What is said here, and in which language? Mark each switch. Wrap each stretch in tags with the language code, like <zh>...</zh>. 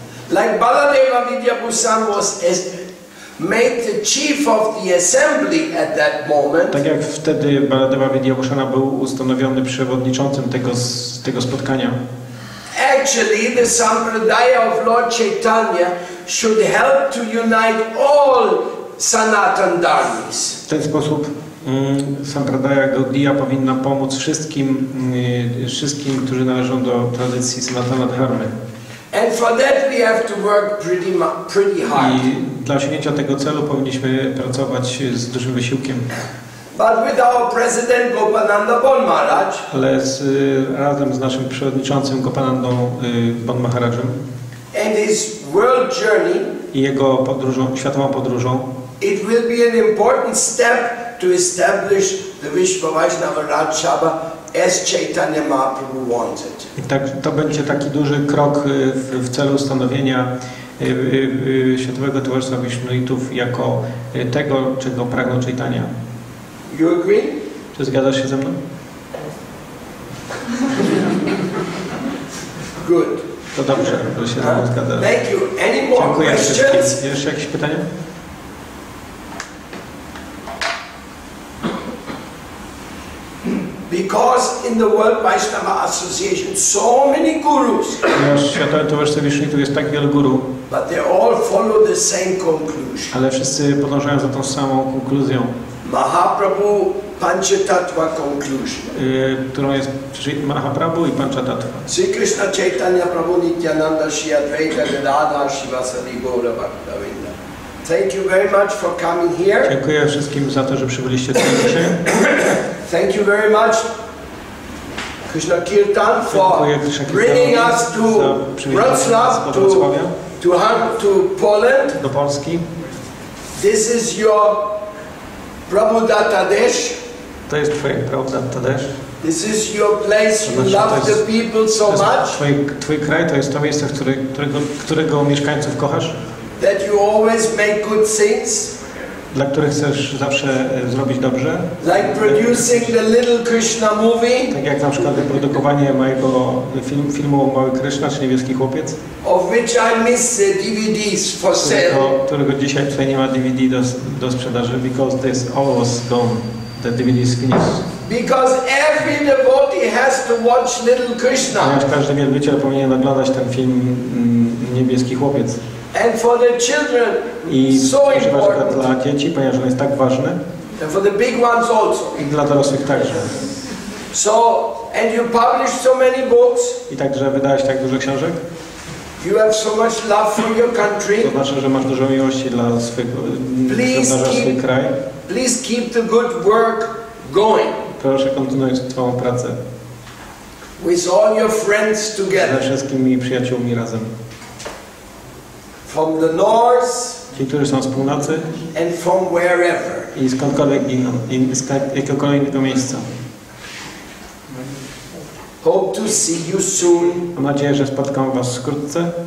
<en>Like Baladeva Vidyabhusan was as made the chief of the assembly at that moment.</en> <pl>Tak jak wtedy Baladeva Vidyabhusana był ustanowiony przewodniczącym tego spotkania.</pl> <en>Actually, the sampradaya of Lord Chaitanya should help to unite all Sanatan Dharmis.</en> <pl>W ten sposób sampradaya Gaudiya powinna pomóc wszystkim, którzy należą do tradycji Sanatana Dharmy.</pl> <en>And for that we have to work pretty hard.</en> <pl>I dla osiągnięcia tego celu powinniśmy pracować z dużym wysiłkiem.</pl> <en>But with our president Gopananda Bon Maharaj.</en> <pl>Ale razem z naszym przewodniczącym Gopanandą Bon Maharajem.</pl> <en>And his world journey.</en> <pl>I jego podróżą, światową podróżą.</pl> <en>It will be an important step to establish the Vishva Vaishnava Raja Sabha as Chaitanya Mahaprabhu wanted.</en> <pl>I tak, to będzie taki duży krok w celu ustanowienia Światowego Towarzystwa Vishnuitów jako tego, czego pragną Chaitanya.</pl> <en>You agree?</en> <pl>Czy zgadzasz się ze mną?</pl> <en>Good.</en> <pl>To dobrze, że się ze mną zgadzasz.</pl> <en>Thank you. Any more</en> <pl>Dziękuję</pl> <en>questions?</en> <pl>Jeszcze jakieś pytania?</pl> <en>Because in the World Vaishnava Association, so many gurus.</en> <pl>Ponieważ w Światowym Towarzystwie Vishnuitów jest tak wielu guru.</pl> <en>But they all follow the same conclusion.</en> <pl>Ale wszyscy podążają za tą samą konkluzją.</pl> <en>Mahaprabhu Panchatattva conclusion.</en> <pl>Którą jest Mahaprabhu i Panchatattva.</pl> <sa>Sri Krishna Chaitanya Prabhu Nityananda Sri Advaita Gadadhar Shivasadi Gaura Bhaktavinda.</sa> <en>Thank you very much for coming here.</en> <pl>Dziękuję wszystkim za to, że przybyliście tutaj dzisiaj.</pl> <en>Thank you very much, Krishna Kirtan, for bringing us to Wrocław, to Poland.</en> <pl>Do Polski.</pl> <en>This is your Prabhudatta Desh.</en> <pl>To jest twój Prabhudatta Desh.</pl> <en>This is your place. You love the people so much.</en> <pl>Twój kraj to jest to miejsce, którego mieszkańców kochasz.</pl> <en>That you always make good things.</en> <pl>Dla których chcesz zawsze zrobić dobrze.</pl> <en>Like producing the little Krishna movie.</en> <pl>Tak jak na przykład wyprodukowanie mojego filmu Mały Krishna, czy Niebieski Chłopiec.</pl> <en>Of which I miss the DVDs for sale.</en> <pl>Którego dzisiaj tutaj nie ma DVD do sprzedaży,</pl> <en>because this all was gone. The DVDs finished. Because every devotee has to watch Little Krishna.</en> <pl>Ponieważ każdy wielbiciel powinien oglądać ten film Niebieski Chłopiec.</pl> <en>And for the children,</en> <pl>i</pl> <en>so important.</en> <pl>Dla dzieci, ponieważ on jest tak ważny.</pl> <en>And for the big ones also.</en> <pl>I dla dorosłych także.</pl> <en>So, and you publish so many books.</en> <pl>I także wydałeś tak dużo książek.</pl> <en>You have so much love for your country.</en> <pl>To znaczy, że masz dużo miłości dla swojego kraju.</pl> <en>Please keep the good work going.</en> <pl>Proszę kontynuuj swoją pracę.</pl> <en>With all your friends together.</en> <pl>Ze wszystkimi przyjaciółmi razem.</pl> <en>From the north,</en> <pl>ci, którzy są z północy,</pl> <en>and from wherever,</en> <pl>i skądkolwiek inną, z jakiegokolwiek miejsca.</pl> <en>Hope to see you soon.</en> <pl>Mam nadzieję, że spotkam was wkrótce.</pl>